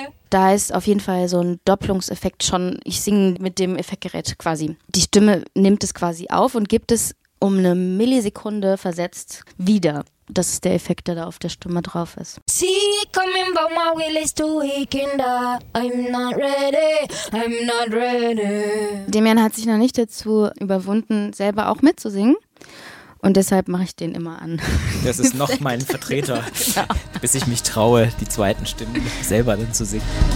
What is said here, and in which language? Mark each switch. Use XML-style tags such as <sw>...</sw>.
<de>Da ist auf jeden Fall so ein Doppelungseffekt schon. Ich singe mit dem Effektgerät quasi. Die Stimme nimmt es quasi auf und gibt es um eine Millisekunde versetzt wieder. Das ist der Effekt, der da auf der Stimme drauf ist.</de> <en>See it coming, but my will is too weak and I'm not ready, I'm not ready.</en> <de>Demian hat sich noch nicht dazu überwunden, selber auch mitzusingen. Und deshalb mache ich den immer an. Das ist noch mein Vertreter, ja. Bis ich mich traue, die zweiten Stimmen selber dann zu singen.</de>